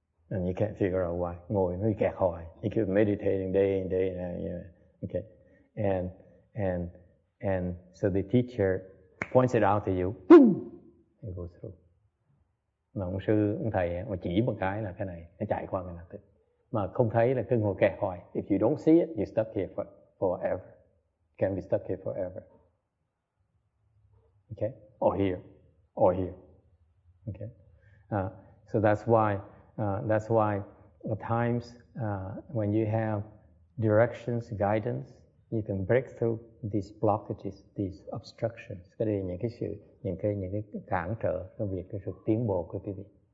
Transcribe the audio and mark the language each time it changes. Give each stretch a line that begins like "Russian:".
English: And you can't figure out why. You keep meditating day and day and day. Okay. And so the teacher points it out to you, boom, it goes through.
Vietnamese: Mà ông sư, ông thầy mà chỉ một cái là cái này, nó chạy qua cái này. Mà không thấy là cứ ngồi kẹt hoài.
English: If you don't see it, you're stuck here forever. Can be stuck here forever. Okay? Or here. Okay? So that's why at times when you have directions, guidance, you can break through these blockages, these obstructions.
Vietnamese: Cái đây những cái sự, những cái cản trở trong việc cái sự tiến bộ của quý vị.